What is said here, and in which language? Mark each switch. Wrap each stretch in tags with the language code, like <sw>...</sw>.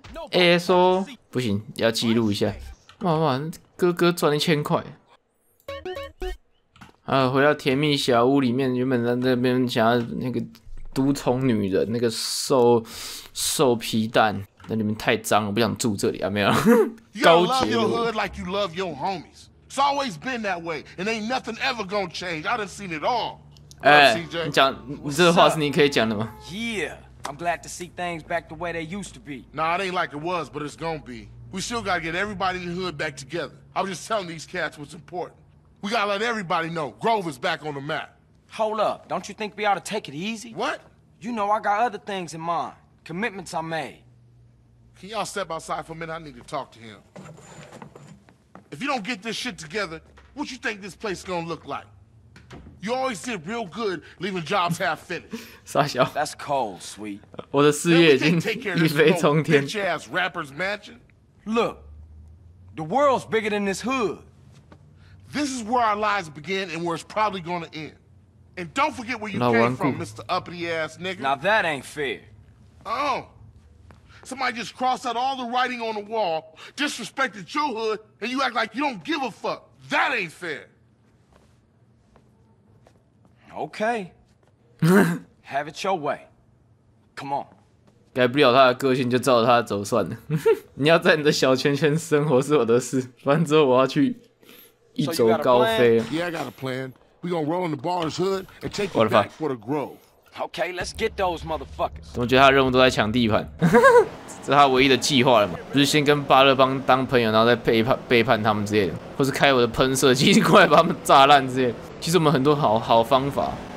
<zh>哎、欸，说不行，要记录一下。哇，哥哥赚1000块。回到甜蜜小屋里面，原本在那边想要那个毒虫女人，那个瘦皮蛋，那里面太脏了，不想住这里啊，没有。高级。</zh> <en>You love your hood like you love your homies. It's always been that way, and ain't nothing ever gonna change. I done seen it all.</en> <zh>哎，你讲，你这话是你可以讲的吗 ？</zh> <en>Yeah, I'm glad to see things back the way they used to be. Nah, it ain't like it was, but it's gonna be. We still gotta get everybody in the hood back together. I was just telling these cats what's important. We gotta let everybody know Grove is back on the map. Hold up, don't you think we ought to take it easy? What? You know I got other things in mind, commitments I made. Can y'all step outside for a minute? I need to talk to him. If you don't get this shit together, what you think this place gonna look like? You always did real good leaving jobs half finished. That's cold, sweet.</en> <zh>我的事业已经一飞冲天。</zh> <en>Bitch ass rappers mansion. Look, the world's bigger than this hood. This is where our lives begin and where it's probably going to end. And don't forget where you came from, Mr. Uppity Ass Nigga. Now that ain't fair. Oh, somebody just crossed out all the writing on the wall, disrespected your hood, and you act like you don't give a fuck. That ain't fair. Okay. Have it your way. Come on.</en> <zh>改不了他的个性，就照着他走算了。你要在你的小圈圈生活是我的事，反正之后我要去。一走高飞。</zh> <en>Yeah, I got a plan. We gonna roll in the bar's hood and take you back for the Grove. Okay, let's get those motherfuckers.</en> <zh>怎么觉得他的任务都在抢地盘？这是他唯一的计划了嘛？不是先跟巴勒邦当朋友，然后再背叛他们之类的，或是开我的喷射机过来把他们炸烂之类的。其实我们很多好方法。</zh>